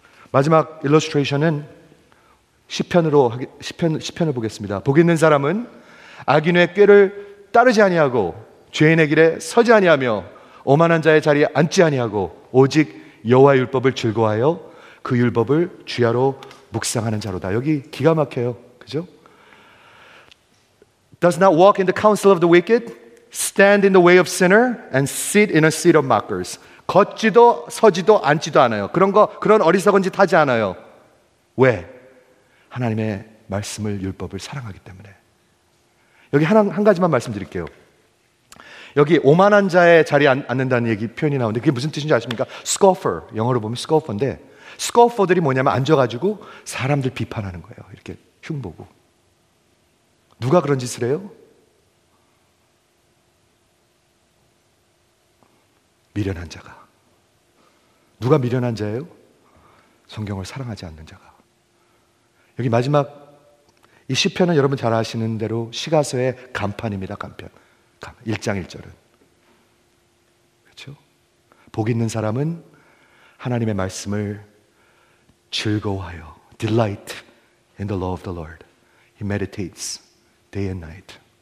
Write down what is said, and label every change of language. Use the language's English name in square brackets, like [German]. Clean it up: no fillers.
[Korean] 마지막 일러스트레이션은 시편을 보겠습니다. 복 있는 사람은 악인의 꾀를 따르지 아니하고 죄인의 길에 서지 아니하며 오만한 자의 자리에 앉지 아니하고 오직 여호와의 율법을 즐거워하여 그 율법을 주야로 묵상하는 자로다. 여기 기가 막혀요. 그죠? [English] Does not walk in the counsel of the wicked, stand in the way of sinner, and sit in a seat of mockers. [Korean] 걷지도 서지도 앉지도 않아요. 그런 거 그런 어리석은 짓 하지 않아요. 왜? 하나님의 말씀을, 율법을 사랑하기 때문에. 여기 한 가지만 말씀드릴게요. 여기 오만한 자의 자리에 앉는다는 얘기 표현이 나오는데 그게 무슨 뜻인지 아십니까? Scoffer, 영어로 보면 Scoffer인데 Scoffer들이 뭐냐면 앉아가지고 사람들 비판하는 거예요. 이렇게 흉보고. 누가 그런 짓을 해요? 미련한 자가. 누가 미련한 자예요? 성경을 사랑하지 않는 자가. 여기 마지막 이 시편은 여러분 잘 아시는 대로 시가서의 간판입니다. 간편. 1장 1절은. 그렇죠? 복 있는 사람은 하나님의 말씀을 즐거워하여 [English] Delight in the law of the Lord. He meditates day and night.